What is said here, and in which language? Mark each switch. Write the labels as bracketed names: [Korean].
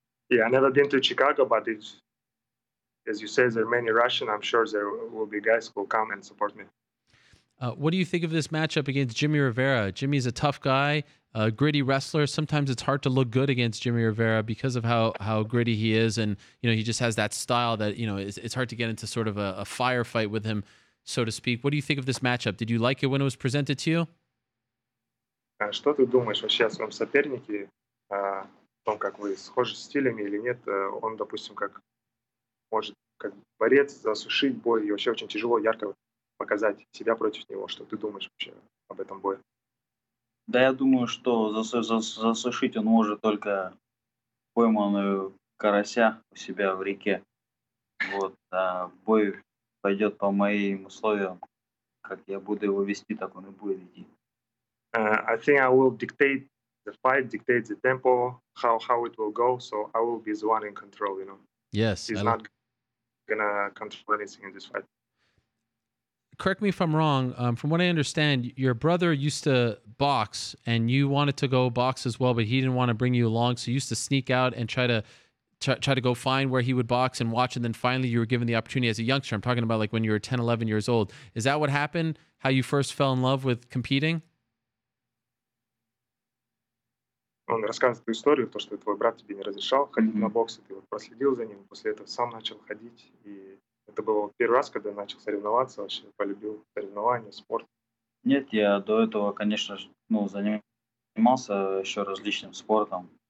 [English] Yeah, I've never been to Chicago, but it's, as you say, there are many Russians. I'm sure there will be guys who will come and support me. What do you think of this matchup against Jimmy Rivera? Jimmy's a tough guy, a gritty wrestler. Sometimes it's hard to look good against Jimmy Rivera because of how gritty he is. And, you know, he just has that style that, you know, it's hard to get into sort of a firefight with him, so to speak. What do you think of this matchup? Did you like it when it was presented to you? [Russian] Что ты думаешь вообще о своем сопернике? О том, как вы схожи стилями или нет? Он, допустим, как может как борец засушить бой и вообще очень тяжело ярко показать себя против него. Что ты думаешь вообще об этом бое? Да, я думаю, что засушить он может только пойманную карася у себя в реке. Вот, а бой пойдет по моим условиям. Как я буду его вести, так он и будет идти. [English] I think I will dictate the fight, dictate the tempo, how it will go. So I will be the one in control, you know. Yes. He's not gonna control anything in this fight. Correct me if I'm wrong. From what I understand, your brother used to box, and you wanted to go box as well, but he didn't want to bring you along. So you used to sneak out and try to go find where he would box and watch, and then finally you were given the opportunity as a youngster. I'm talking about like when you were 10, 11 years old. Is that what happened? How you first fell in love with competing? [Russian] Он рассказывает эту историю, то что твой брат тебе не разрешал ходить на бокс, и ты вот проследил за ним, после этого сам начал ходить и это был первый раз, когда я начал соревноваться, вообще полюбил соревнования, спорт. Нет, я до этого, конечно, занимался еще различным спортом.